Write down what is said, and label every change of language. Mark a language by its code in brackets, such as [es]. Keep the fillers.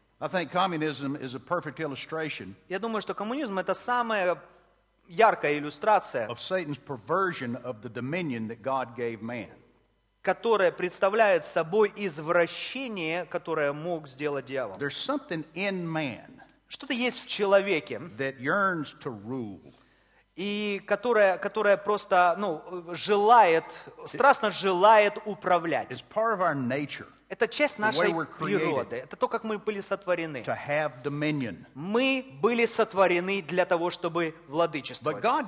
[en] I think communism is a perfect illustration. [ru] Я думаю, что коммунизм это самая яркая иллюстрация. [en] Of Satan's perversion of the dominion that God gave man. [ru] Которая представляет собой извращение, которое мог сделать дьявол. [en] There's something in man. [ru] Что-то есть в человеке. [en] That yearns to rule. [ru] И которая, которая просто, ну, желает, страстно желает управлять. [en] It's part of our nature [ru] это часть нашей природы. Это то, как мы были сотворены. Мы были сотворены для того, чтобы владычествовать.